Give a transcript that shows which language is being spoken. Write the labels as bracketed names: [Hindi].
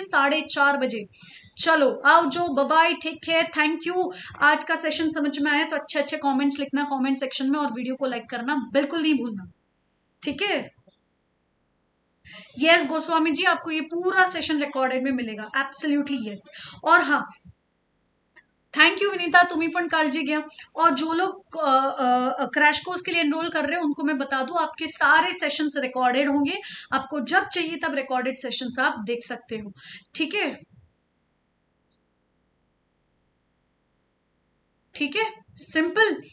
[Hindi] 4:30 बजे। चलो आओ जो, bye, take care, thank you. आज का सेशन समझ में आया तो अच्छे अच्छे कॉमेंट्स लिखना कॉमेंट सेक्शन में, और वीडियो को लाइक करना बिल्कुल नहीं भूलना, ठीक है? यस गोस्वामी जी, आपको ये पूरा सेशन रिकॉर्डेड में मिलेगा, एब्सोल्यूटली यस। और हाँ, [Marathi] थैंक यू विनीता, तुम्हें पण काळजी घ्या. [Hindi] और जो लोग क्रैश कोर्स के लिए एनरोल कर रहे हैं उनको मैं बता दूं, आपके सारे सेशंस रिकॉर्डेड होंगे, आपको जब चाहिए तब रिकॉर्डेड सेशंस आप देख सकते हो. ठीक है, ठीक है, सिंपल.